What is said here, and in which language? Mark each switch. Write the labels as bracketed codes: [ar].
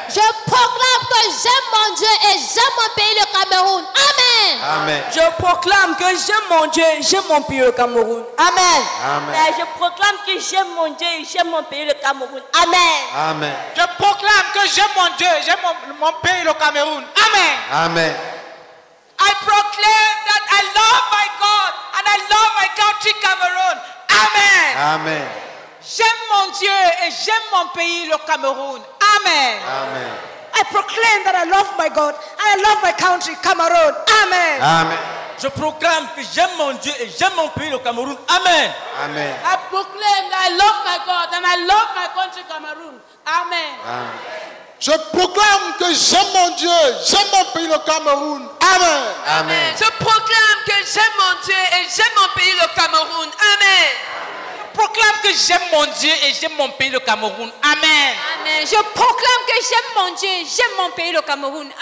[fr] Je proclame que j'aime mon Dieu et j'aime mon pays, le Cameroun. Amen. Amen. Je proclame que j'aime mon Dieu et j'aime mon pays, le Cameroun. Amen. Amen. Je proclame que j'aime mon Dieu et j'aime mon pays, le Cameroun. Amen. Amen. Je proclame que j'aime mon Dieu et j'aime mon pays, le Cameroun. Amen. Amen. [en] I proclaim that I love my God and I love my country, Cameroon. Amen. Amen. [fr] J'aime mon Dieu et j'aime mon pays, le Cameroun. Amen. Amen. [en] I proclaim that I love my God and I love my country, Cameroun. Amen. Amen. [fr] Je proclame que j'aime mon Dieu et j'aime mon pays, le Cameroun. Amen. Amen. [en] I proclaim that I love my God and I love my country, Cameroun. Amen. Amen. [fr] Je proclame que j'aime mon Dieu, j'aime mon pays, le Cameroun. Amen. Amen. Je proclame que j'aime mon Dieu et j'aime mon pays, le Cameroun. Amen. Je proclame que j'aime mon Dieu et j'aime mon pays, le Cameroun. Amen. Amen. Je proclame que j'aime mon Dieu et j'aime mon pays, le Cameroun.